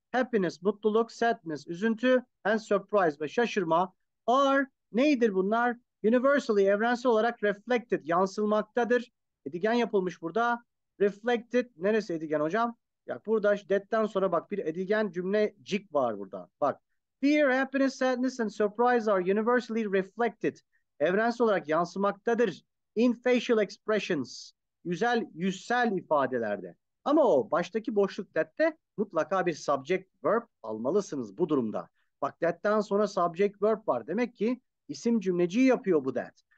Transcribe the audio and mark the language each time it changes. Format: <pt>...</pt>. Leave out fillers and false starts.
<tr>Happiness, mutluluk, sadness, üzüntü,</tr> <en>and surprise</en> <tr>ve şaşırma are, neydir bunlar? Universally, evrensel olarak reflected, yansılmaktadır. Edigen yapılmış burada. Reflected, neresi edigen hocam? Ya burada that'ten sonra bak bir edigen cümlecik var burada.</tr> <en>Bak, fear, happiness, sadness and surprise are universally reflected.</en> <tr>Evrensel olarak yansımaktadır.</tr> <en>In facial expressions,</en> <tr>yüzsel ifadelerde. Ama o baştaki boşluk that'te mutlaka bir subject verb almalısınız bu durumda. Bak that'ten sonra subject verb var. Demek ki isim cümleci yapıyor bu that.</tr>